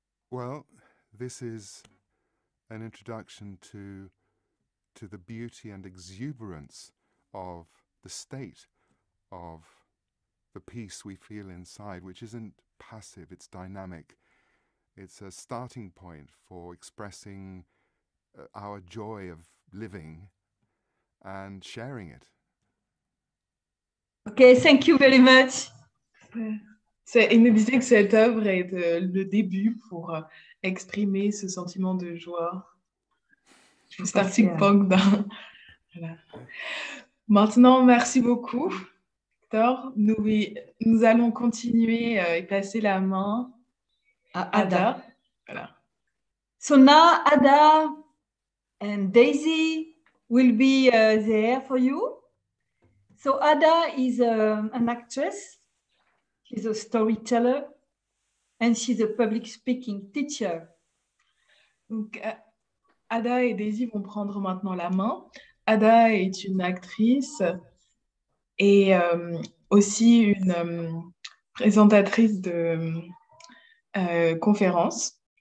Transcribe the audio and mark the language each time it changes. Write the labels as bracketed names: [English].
[English] Well, this is an introduction to the beauty and exuberance of the state of the peace we feel inside, which isn't passive, it's dynamic. It's a starting point for expressing our joy of living and sharing it. Okay, thank you very much. [French] C'est inédit que cette œuvre est le début pour exprimer ce sentiment de joie. [English] Starting point. [French] Voilà. Maintenant, merci beaucoup. Nous allons continuer et passer la main à Ada. Voilà. [English] So now Ada and Daisy will be there for you. So Ada is an actress. She's a storyteller and she's a public speaking teacher. [French] Donc Ada et Daisy vont prendre maintenant la main. Ada est une actrice et aussi une présentatrice de conférence.